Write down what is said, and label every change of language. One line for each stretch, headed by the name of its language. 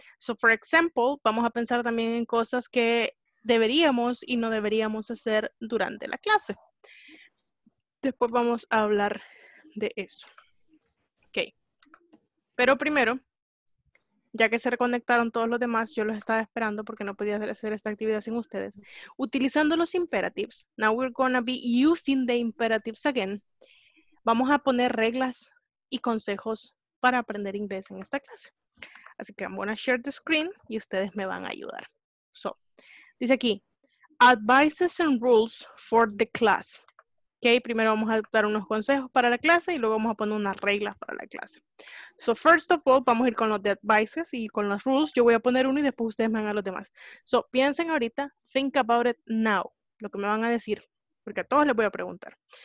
English: So, for example,
Spanish: vamos a pensar también en cosas que deberíamos y no deberíamos hacer durante la clase. Después vamos a hablar de eso. Okay. Pero primero, ya que se reconectaron todos los demás, yo los estaba esperando porque no podía hacer esta actividad sin ustedes. Utilizando los imperatives,
English: now we're going to be using the imperatives again.
Spanish: Vamos a poner reglas y consejos para aprender inglés en esta clase. Así que
English: I'm going to share the screen
Spanish: y ustedes me van a ayudar.
English: So,
Spanish: dice aquí,
English: advices and rules for the class.
Spanish: Okay, primero vamos a dar unos consejos para la clase y luego vamos a poner unas reglas para la clase.
English: So, first of all,
Spanish: vamos a ir con los advices y con los rules. Yo voy a poner uno y después ustedes me van a los demás. So, piensen ahorita,
English: think about it now,
Spanish: lo que me van a decir, porque a todos les voy a preguntar.